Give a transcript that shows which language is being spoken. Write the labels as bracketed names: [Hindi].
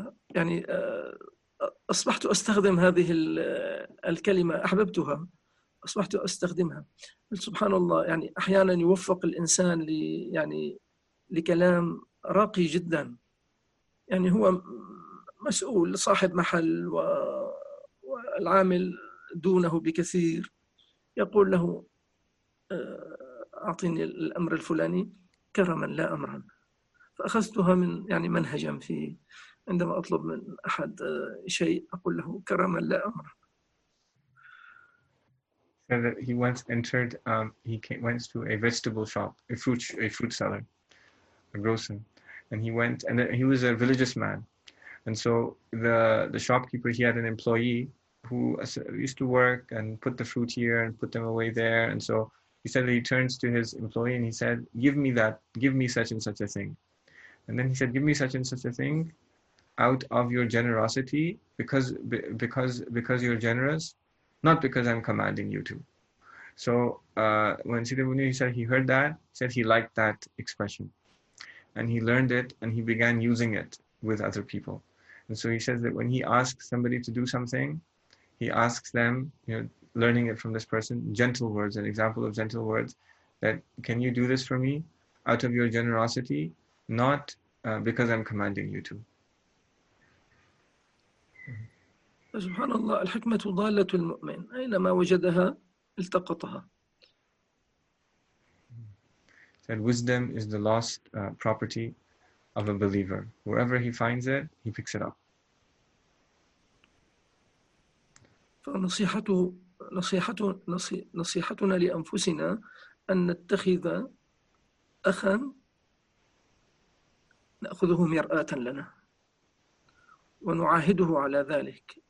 [Arabic] يعني أصبحت أستخدم هذه الكلمة أحببتها أصبحت أستخدمها سبحان الله يعني أحيانا يوفق الإنسان يعني لكلام راقي جدا يعني هو مسؤول صاحب محل والعامل دونه بكثير يقول له أعطيني الأمر الفلاني كرما لا أمرا فأخذتها من يعني منهجا في عندما أطلب من أحد شيء أقول له كرما لا أمرا. [English] So that he once entered, he came, went to a vegetable shop, a fruit seller, a grocer, and he went, and he was a religious man. And so the shopkeeper, he had an employee who used to work and put the fruit here and put them away there. And so he said that he turns to his employee and he said, give me such and such a thing. And then he said, give me such and such a thing out of your generosity because you're generous, not because I'm commanding you to. So when Sidi Bunir, he said he heard that, he said he liked that expression. And he learned it and he began using it with other people. And so he says that when he asks somebody to do something, he asks them, you know, learning it from this person, gentle words, an example of gentle words, that, can you do this for me out of your generosity, not because I'm commanding you to. [Arabic] سبحان الله الحكمة ضالة المؤمن أينما وجدها التقطها. [English] That wisdom is the lost property of a believer. Wherever he finds it, he picks it up. [Arabic] فنصيحتنا لأنفسنا أن نتخذ أخا نأخذه مرآة لنا ونعاهده على ذلك.